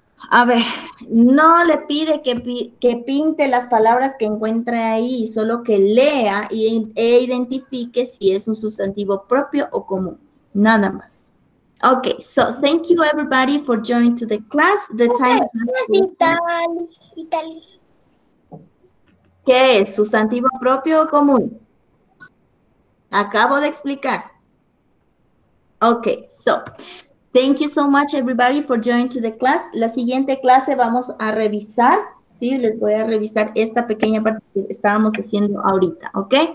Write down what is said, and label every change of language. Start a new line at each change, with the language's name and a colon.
Spanish: A ver, no le pide que pinte las palabras que encuentre ahí, solo que lea e identifique si es un sustantivo propio o común. Nada más.
English: Okay, so thank you everybody for joining to the class. The time.
Spanish: ¿Qué es? ¿Sustantivo propio o común? Acabo de explicar.
English: Okay, so thank you so much everybody for joining to the class.
Spanish: La siguiente clase vamos a revisar. Sí, les voy a revisar esta pequeña parte que estábamos haciendo ahorita, ¿ok?